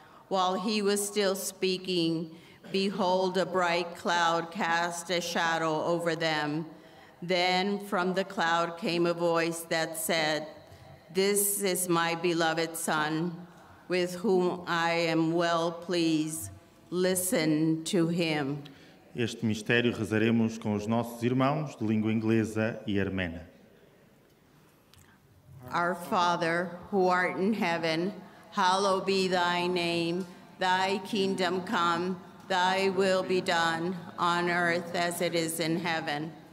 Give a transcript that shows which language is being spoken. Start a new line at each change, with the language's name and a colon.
English: While he was still speaking, behold, a bright cloud cast a shadow over them. Then from the cloud came a voice that said, This is my beloved son, with whom I am well pleased. Listen to him.
Portuguese: Este mistério rezaremos com os nossos irmãos de língua inglesa e armena.
English: Our Father, who art in heaven, hallowed be thy name. Thy kingdom come, thy will be done, on earth as it is in heaven.